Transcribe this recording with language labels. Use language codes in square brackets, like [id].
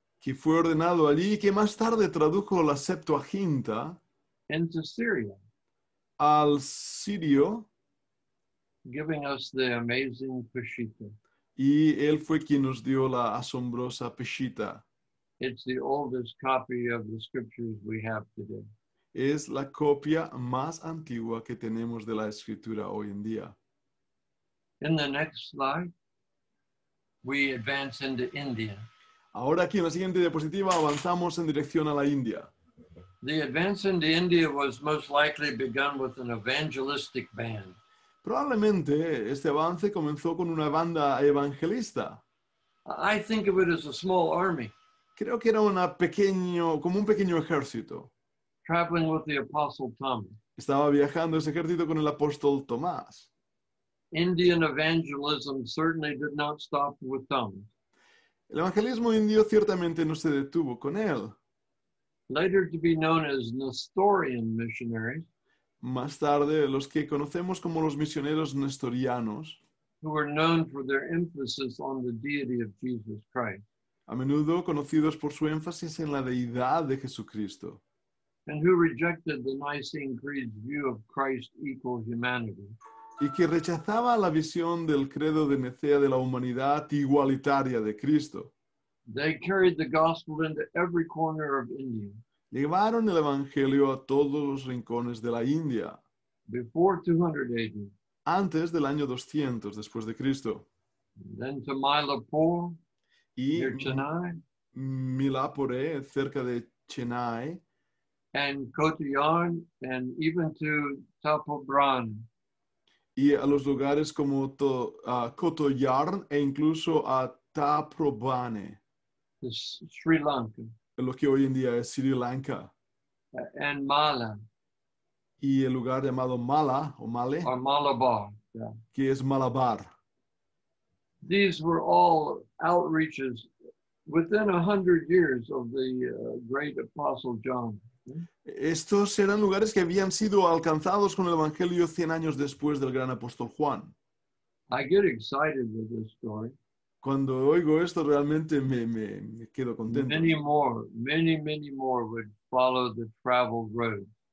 [es] Que fue ordenado allí y que más tarde tradujo la Septuaginta. [en] Into Syria. [es] Al Sirio. [en] Giving us the amazing Peshitta. [es] Y él fue quien nos dio la asombrosa Peshitta. [en] It's the oldest copy of the scriptures we have today. [es] Es la copia más antigua que tenemos de la escritura hoy en día. [en] In the next slide, we advance into India. [es] Ahora aquí en la siguiente diapositiva avanzamos en dirección a la India. [en] The advance into India was most likely begun with an evangelistic band. [es] Probablemente este avance comenzó con una banda evangelista. [en] I think of it as a small army. [es] Creo que era como un pequeño ejército. [en] Traveling with the Apostle Thomas. [es] Estaba viajando ese ejército con el apóstol Tomás. [en] Indian evangelism certainly did not stop with Thomas. [es] El evangelismo indio ciertamente no se detuvo con él. [en] Later to be known as Nestorian missionaries. [es] Más tarde, los que conocemos como los misioneros nestorianos, [en] who were known for their emphasis on the deity of Jesus Christ, [es] a menudo conocidos por su énfasis en la deidad de Jesucristo, [en] and who rejected the Nicene Creed's view of Christ equal humanity, [es] y que rechazaba la visión del credo de Nicea de la humanidad igualitaria de Cristo, [en] they carried the gospel into every corner of India. [es] Llevaron el Evangelio a todos los rincones de la India. [en] Before 200 AD. [es] Antes del año 200 después de Cristo. [en] Then to Mylapore, near Chennai. [es] Mylapore, cerca de Chennai. [en] And Kottayam, and even to Tapobran. [es] Y a los lugares como Kottayam e incluso a Taprobane. [en] Sri Lanka. [es] Lo que hoy en día es Sri Lanka. [en] And Mala. [es] Y el lugar llamado Mala o Male. [en] Or Malabar. Yeah. [es] Que es Malabar. [en] These were all outreaches within 100 years of the great Apostle John. [es] Estos eran lugares que habían sido alcanzados con el Evangelio 100 años después del gran Apóstol Juan. [en] I get excited with this story. [es] Cuando oigo esto, realmente me quedo contento. [en] Many more would follow the travel road.